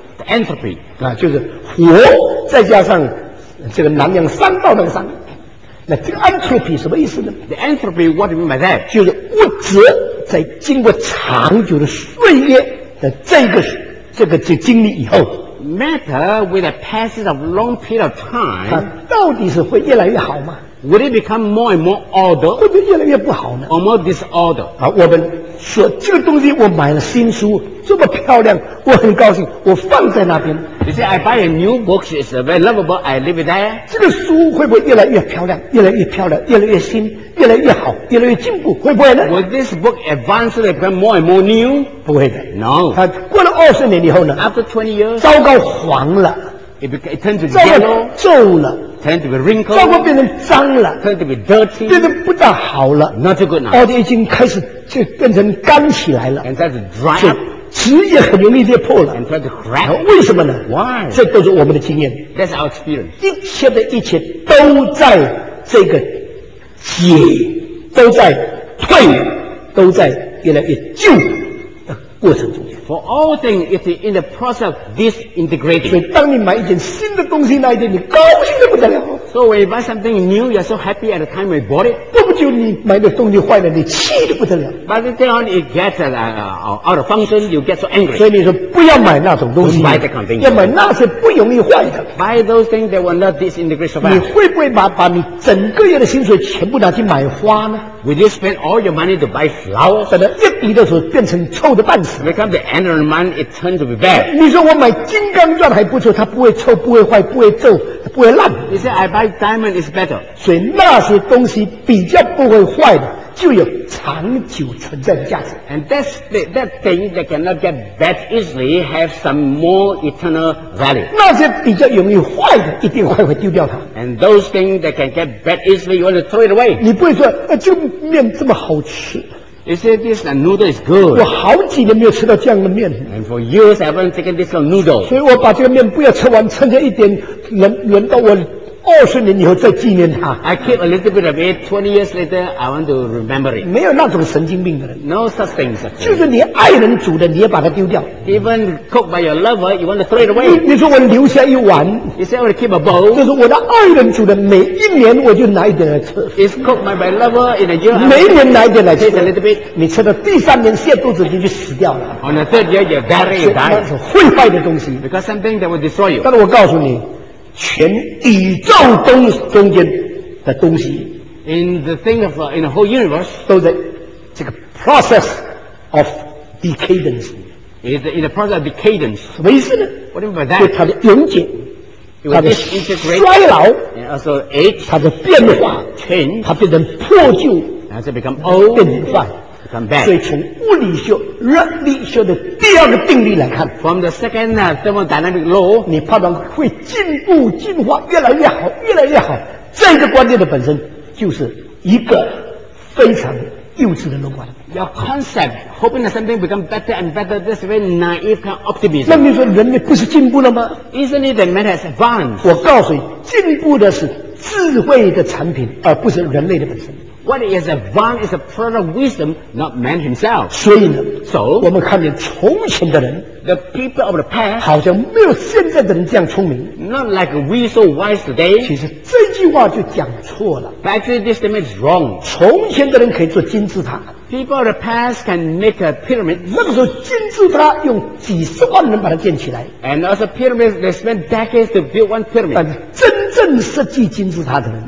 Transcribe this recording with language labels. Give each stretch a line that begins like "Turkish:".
English: The、entropy.
Chinese: 啊，就是火再加上这个南洋商道那个商。那这个 entropy 什么意思呢
English: ？The entropy. What do you mean by that?
Chinese: 就是物质。在经过长久的岁月的这个经历以后
English: matter with a passage of long period of time
Chinese: 它到底是会越来越好吗
English: would it become more and more order
Chinese: 会不会越来越不好呢
English: or more disorder
Chinese: 好我们说这个东西我买了新书这么漂亮我很高兴我放在那边
English: you see I buy a new book it's very lovable I leave it there
Chinese: 这个书会不会越来越漂亮越来越漂亮越来越新越来越好越来越进步会不会呢
English: Will this book advance and become more and more new?
Chinese: 不会的
English: No
Chinese: 它过了二十年以后呢
English: After 20 years
Chinese: 糟糕黄了
English: it turned to be yellow
Chinese: 皱了
English: Tend to be wrinkled,
Chinese: 糟糕变成脏了
English: Tend to be dirty,
Chinese: 变得不大好了
English: Not too good now
Chinese: 而且已经开始就变成干起来了
English: And start to dry up
Chinese: 纸也很容易裂破了
English: And start to crack
Chinese: 为什么呢
English: Why?
Chinese: 这都是我们的经验
English: That's our experience
Chinese: 一切的一切都在这个解都在退都在越来越旧的过程中
English: For all things is in the process of disintegrating
Chinese: 所以当你买一件新的东西那一天你高兴得不得了
English: So when you buy something new you're so happy at the time when you bought it
Chinese: 过不久你买的东西坏了你气得不得了
English: But then on it gets out of function you get so angry
Chinese: 所以你说不要买那种东西
English: Don't buy the kind of thing
Chinese: 要买那些不容易坏的
English: Buy those things that will not disintegrate so fast
Chinese: 你会不会 把你整个月的薪水全部拿去买花呢
English: Will you spend all your money to buy flowers
Chinese: 等到一笔的时候变成臭的半死
English: Become the end of the month it turns to be bad
Chinese: 你说我买金刚钻还不错它不会臭不会坏不会皱不会烂
English: You say I buy diamond is better
Chinese: 所以那些东西比较不会坏的就有长久存在的价值
English: And that thing that cannot get bad easily have some more eternal value
Chinese: 那些比较容易坏的一定会丢掉它
English: And those things that can get bad easily you want to throw it away
Chinese: 你不会说、这个面这么好吃
English: You say this noodle is good.
Chinese: 我好几年没有吃到这样的面。
English: And for years, I haven't taken this noodle.
Chinese: 所以我把这个面不要吃完，剩下一点，轮到我二十年以后再纪念他。
English: I keep a little bit of it. 20 years later, I want to remember it.
Chinese: 没有那种神经病的人。
English: No such things.
Chinese: 就是你爱人煮的，你也把它丢掉。
English: Even cooked by your lover, you want to throw it away.
Chinese: 你说我留下一碗。
English: You say I want to keep a bowl.
Chinese: 就是我的爱人煮的，每一年我就拿一点来吃。
English: It's cooked by my lover in a year.
Chinese: 每一年拿一点来吃。
English: Take a little bit.
Chinese: 你吃到第三年泻肚子，你就死掉了。
English: On the third year, you're very
Chinese: bad. 那是毁坏的东西。
English: Because something that will destroy you.
Chinese: 但是我告诉你。全宇宙东中间的东西
English: in the thing of, in the whole universe,
Chinese: 都在这个
English: process of decadence. Is in the process of decadence.
Chinese: 什么意思呢？
English: What do you mean by that?
Chinese: 就它的永久，它的衰老，它的变化，它变成破旧，变成坏。所以从物理学、热力学的第二个定律来看
English: ，from the second thermodynamic law，
Chinese: 你判断会进步、进化越来越好、越来越好，这个观念的本身就是一个非常幼稚的乐观。
English: Your concept hoping that something become better and better, this very naive kind of optimism.
Chinese: 那你说人类不是进步了吗
English: ？Isn't it that man has advanced？
Chinese: 我告诉你，进步的是智慧的产品，而不是人类的本身。
English: What is advanced is a product of wisdom, not man himself.
Chinese: 所以呢
English: so,
Chinese: 我们看见从前的人
English: the people of the past,
Chinese: 好像没有现在的人这样聪明
English: not like we so wise today.
Chinese: 其实这句话就讲错了
English: but actually this statement is wrong.
Chinese: 从前的人可以做金字塔
English: people of the past can make a pyramid.
Chinese: 那个时候金字塔用几十万人把它建起来
English: and also pyramids, they spent decades to build one pyramid.
Chinese: 但真正设计金字塔的人